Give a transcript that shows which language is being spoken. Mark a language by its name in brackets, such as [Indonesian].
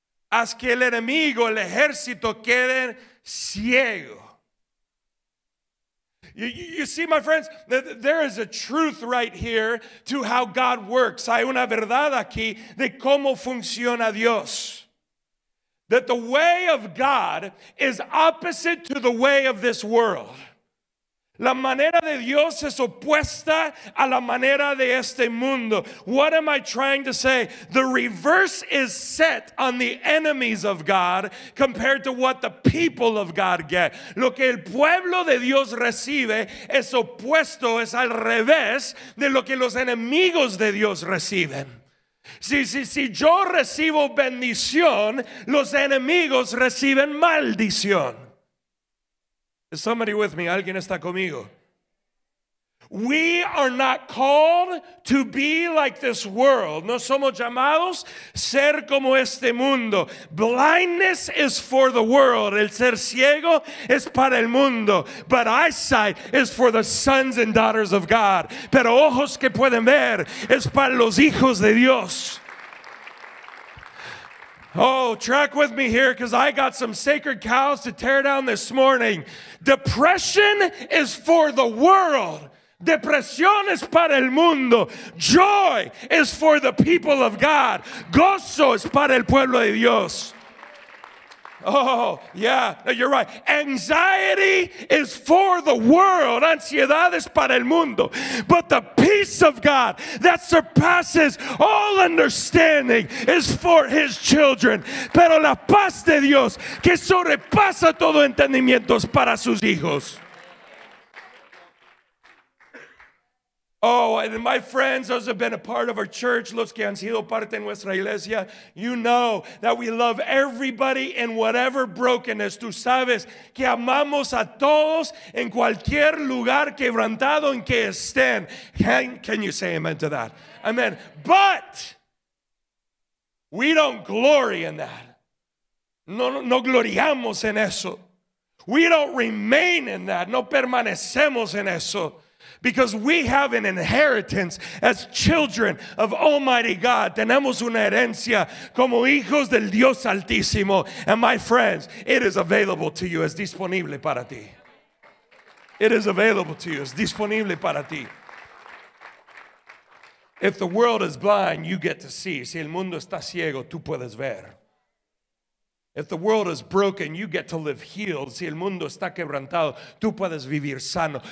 [Spanish] Haz que el enemigo, el ejército, queden ciego. [English] You see, my friends, there is a truth right here to how God works. [Spanish] Hay una verdad aquí de cómo funciona Dios. [English] That the way of God is opposite to the way of this world. [Spanish] La manera de Dios es opuesta a la manera de este mundo. [English] What am I trying to say? The reverse is set on the enemies of God compared to what the people of God get. [Spanish] Lo que el pueblo de Dios recibe es opuesto, es al revés de lo que los enemigos de Dios reciben. Si yo recibo bendición, los enemigos reciben maldición. [English] Is somebody with me? [Spanish] ¿Alguien está conmigo? [English] We are not called to be like this world. [Spanish] No somos llamados ser como este mundo. [English] Blindness is for the world. [Spanish] El ser ciego es para el mundo. [English] But eyesight is for the sons and daughters of God. [Spanish] Pero ojos que pueden ver es para los hijos de Dios. [English] Oh, track with me here, because I got some sacred cows to tear down this morning. Depression is for the world. [Spanish] Depresión es para el mundo. [English] Joy is for the people of God. [Spanish] Gozo es para el pueblo de Dios. [English] Oh, yeah, no, you're right. Anxiety is for the world. [Spanish] Ansiedad es para el mundo. [English] But the peace of God that surpasses all understanding is for his children. [Spanish] Pero la paz de Dios que sobrepasa todo entendimiento es para sus hijos. [English] Oh, and my friends, those have been a part of our church, [Spanish] los que han sido parte de nuestra iglesia, [English] you know that we love everybody in whatever brokenness. [Spanish] Tú sabes que amamos a todos en cualquier lugar quebrantado en que estén. [English] Can you say amen to that? Amen. But we don't glory in that. [Spanish] No gloriamos en eso. [English] We don't remain in that. [Spanish] No permanecemos en eso. [English] Because we have an inheritance as children of Almighty God. [Spanish] Tenemos una herencia como hijos del Dios Altísimo. [English] And my friends, it is available to you. [Spanish] Es disponible para ti. [English] It is available to you. [Spanish] Es disponible para ti. [English] If the world is blind, you get to see. [Spanish] Si el mundo está ciego, tú puedes ver. [English] If the world is broken, you get to live healed. [Spanish] Si el mundo está quebrantado, tú puedes vivir sano.